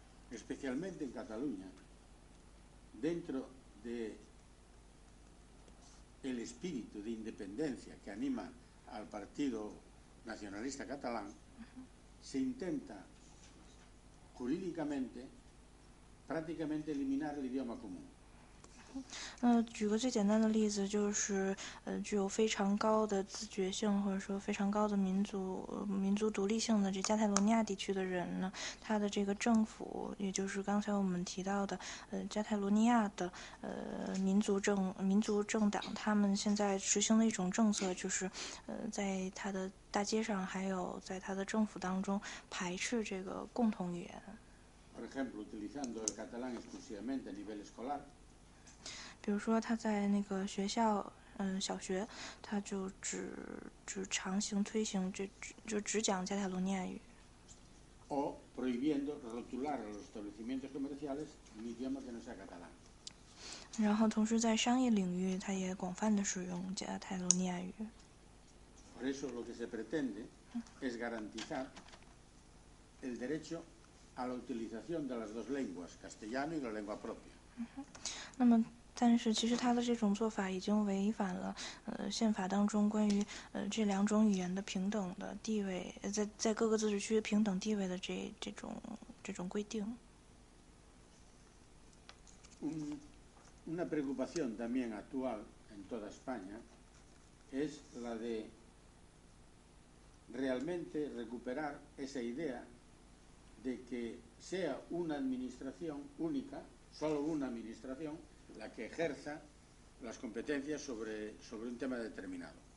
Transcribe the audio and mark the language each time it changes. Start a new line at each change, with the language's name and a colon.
Spanish: Especialmente en Cataluña, dentro de el espíritu de independencia que anima al Partido Nacionalista Catalán,se intenta jurídicamente prácticamente eliminar el idioma común.
Chinese: 举个最简单的例子，就是具有非常高的自觉性或者说非常高的民族独立性的这加泰罗尼亚地区的人呢，他的这个政府，也就是刚才我们提到的加泰罗尼亚的民族政党，他们现在实行的一种政策，就是在他的大街上还有在他的政府当中排斥这个共同语言。
Spanish: Por ejemplo, utilizando el catalán exclusivamente a nivel escolar.
Chinese: 比如说他在那个学校小学他就只强行推行就只讲加泰罗尼亚语。
Spanish: O prohibiendo rotular los establecimientos comerciales en idioma que no sea catalán.
Chinese: 然后同时在商业领域他也广泛的使用加泰罗尼亚语。
Spanish: Por eso lo que se pretende es garantizar el derecho a la utilización de las dos lenguas, castellano y la lengua propia.
Chinese: 那么但是其实他的这种做法已经违反了宪法当中关于这两种语言的平等的地位在各个自治区平等地位的这种规定。
Spanish: Una preocupación también actual en toda España es la de realmente recuperar esa idea de que sea una administración única, solo una administración,la que ejerza las competencias sobre un tema determinado.